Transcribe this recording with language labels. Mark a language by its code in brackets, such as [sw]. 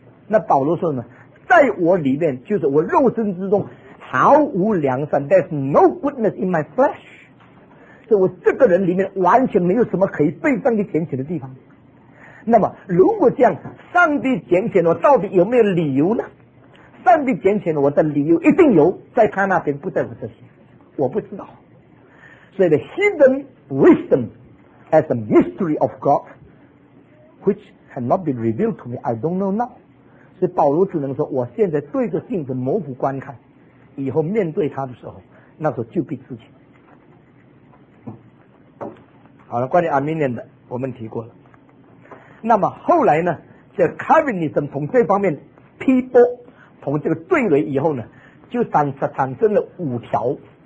[zh] 那保罗说呢，在我里面就是我肉身之中毫无良善 ， [en] there's no goodness in my flesh， [zh] 所以我这个人里面完全没有什么可以被上帝拣选的地方。那么如果这样，上帝拣选我到底有没有理由呢？上帝拣选我的理由一定有，在他那边，不在我这里。我不知道，所以 [en] the hidden wisdom as a mystery of God which had not been revealed to me I don't know now。 [zh] 所以保罗只能说，我现在对着镜子模糊观看，以后面对他的时候，那时候就必自己。好了，关于 Arminian 的我们提过了。那么后来呢，这 Calvinism 从这方面批驳，从这个对垒以后呢，就产生了五条。